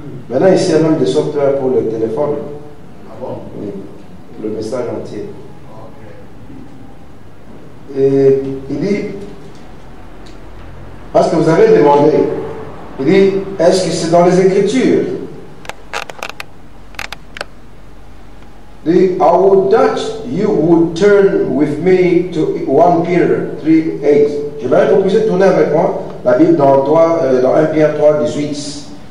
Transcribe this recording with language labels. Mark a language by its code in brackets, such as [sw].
[fr] Maintenant, il sert même des software pour le téléphone. Ah bon? Oui, le message entier. Ok. Et il dit, parce que vous avez demandé, il dit, est-ce que c'est dans les Écritures? [en] The, I would that you would turn with me to 1 Peter 3:8. [fr] Je voudrais que vous puissiez tourner avec moi la Bible dans 1 Pierre 3:18.